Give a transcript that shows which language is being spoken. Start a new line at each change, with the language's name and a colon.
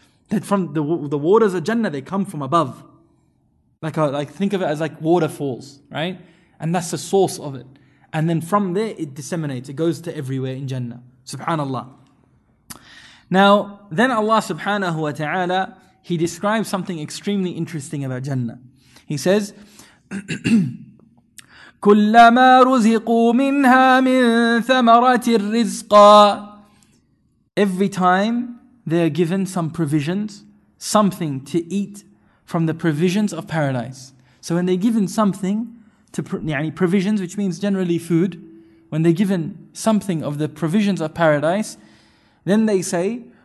English: That from the waters of Jannah, they come from above. Like think of it as like waterfalls, right? And that's the source of it. And then from there, it disseminates. It goes to everywhere in Jannah. Subhanallah. Now, then Allah subhanahu wa ta'ala, He describes something extremely interesting about Jannah. He says,
Arabic: كلما رزقوا منها من ثمرة الرزق.
English: Every time they are given some provisions, something to eat from the provisions of paradise. So when they're given something, to
Arabic: يعني
English: provisions, which means generally food, when they're given something of the provisions of paradise, then they say,